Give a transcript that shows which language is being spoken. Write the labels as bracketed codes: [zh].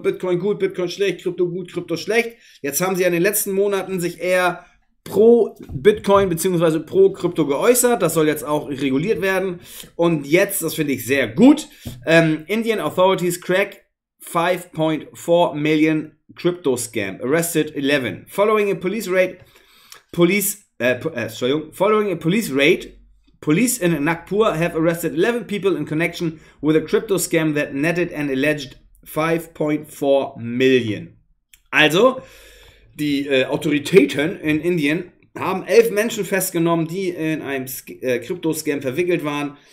[de] Bitcoin gut, Bitcoin schlecht, Krypto gut, Krypto schlecht. Jetzt haben sie in den letzten Monaten sich eher pro Bitcoin bzw. pro Krypto geäußert. Das soll jetzt auch reguliert werden. Und jetzt, das finde ich sehr gut, [en] Indian Authorities crack 5.4 million Crypto Scam. Arrested 11. Following a police raid, police in Nagpur have arrested 11 people in connection with a crypto scam that netted an alleged 5.4 million. [de] Also, die Autoritäten in Indien haben 11 Menschen festgenommen, die in einem Krypto-Scam verwickelt waren.